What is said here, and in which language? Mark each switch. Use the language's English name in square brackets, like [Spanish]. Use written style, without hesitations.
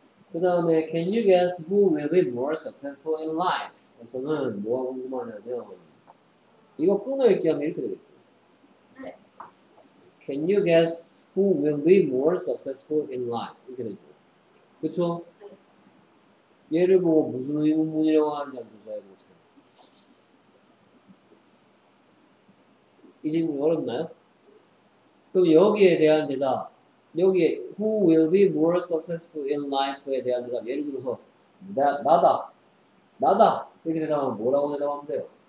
[Korean] 그 다음에 [English] Can you guess who will be more successful in life? [Korean] 그래서는 뭐가 궁금하냐면 이거 끊어 읽기 하면 이렇게 되겠죠. 네. [English] OK. Can you guess who will be more successful in life? [Korean] 그렇죠? 얘를 보고 무슨 의문문이라고 하는지 한번 조사해보세요. 이 질문이 어렵나요? 그럼 여기에 대한 대답, 여기에 [English] Who will be more successful in life [Korean] 에 대한 대답, 예를 들어서 나다 이렇게 대답하면 뭐라고 대답하면 돼요?